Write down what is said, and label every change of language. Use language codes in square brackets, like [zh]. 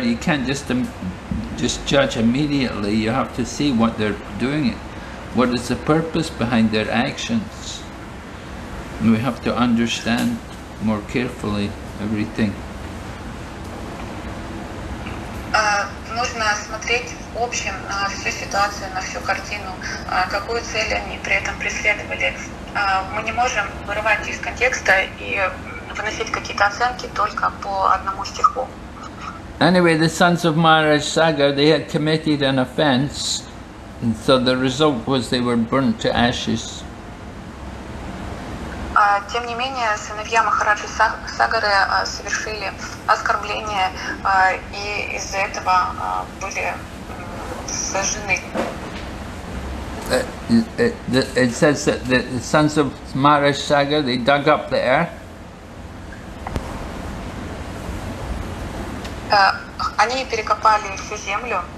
[en] You can't just judge immediately. You have to see what they're doing. What is the purpose behind their actions? And we have to understand more carefully everything. [ru] Нужно смотреть в общем на всю ситуацию, на всю картину, какую цель они при этом преследовали. Мы не можем вырывать из контекста и выносить какие-то оценки только по одному стиху. [en] Anyway, the sons of Maharaj Sagar, they had committed an offense, and so the result was they were burnt to ashes. [ru] Тем не менее, сыновья Махараджи Сагары совершили оскорбление, и из-за этого были сожжены. [en] It says that the sons of Maharaj Sagar, they dug up the earth. [ru] Они перекопали всю землю.